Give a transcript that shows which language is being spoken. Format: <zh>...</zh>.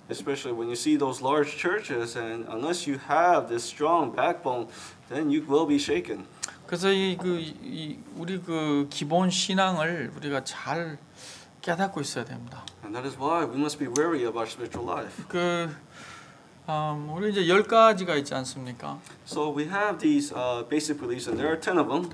<en>Especially when you see those large churches, and unless you have this strong backbone, then you will be shaken.</en> <ko>그래서 우리 그 기본 신앙을 우리가 잘 깨닫고 있어야 됩니다.</ko> <en>And that is why we must be wary of our spiritual life.</en> <ko>그 우리 이제 열 가지가 있지 않습니까?</ko> <en>So we have these basic beliefs, and there are 10 of them.</en>